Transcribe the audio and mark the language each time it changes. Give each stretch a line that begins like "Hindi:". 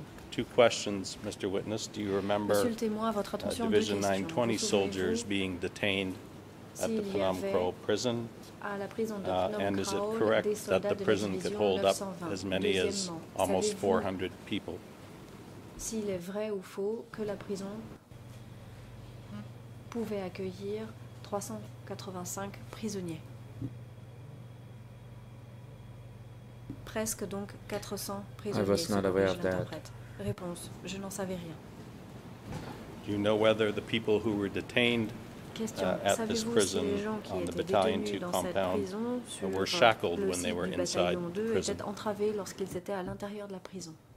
English: Two questions, Mr. Witness. Do you remember Division 920 soldiers being detained at the Phnom Krol prison? And is it correct that the prison could hold up as many as almost 400 people?
French: S'il est vrai ou faux que la prison pouvait accueillir 385 prisonniers? Presque donc 400 prisonniers.
English: I was not aware of that.
French: Réponse. Je n'en savais rien.
English: Do you know whether the people who were detained at this prison on the Battalion 2 compound were shackled when they were inside the prison?
French: Étaient entravés lorsqu'ils étaient à l'intérieur de la prison.